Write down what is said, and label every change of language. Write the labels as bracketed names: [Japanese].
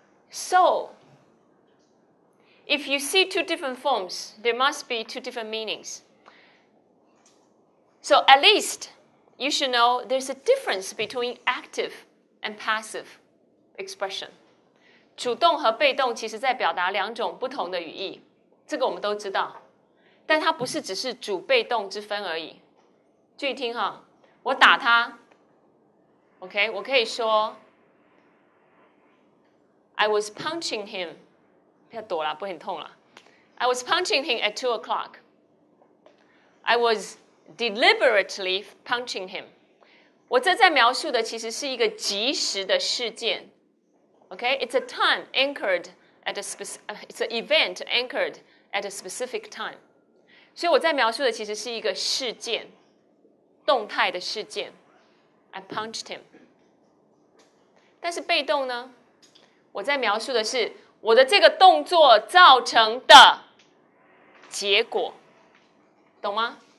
[English] So, if you see two different forms, there must be two different meanings. So, at least, you should know there's a difference between active and passive expression. [Chinese] 主动和被动其实在表达两种不同的语义，这个我们都知道。但它不是只是主被动之分而已。注意听哈，我打他， [English] Okay, [Chinese] 我可以说 [English] I was punching him. [Chinese] 不要躲啦，不很痛啦。 [English] I was punching him at 2 o'clock. I was deliberately punching him. [Chinese] 我这在描述的其实是一个即时的事件。 [English] Okay, it's a time anchored at a specific, it's an event anchored at a specific time. [Chinese] 所以我在描述的其实是一个事件，动态的事件。 [English] I punched him. [Chinese] 但是被动呢？我在描述的是我的这个动作造成的结果，懂吗？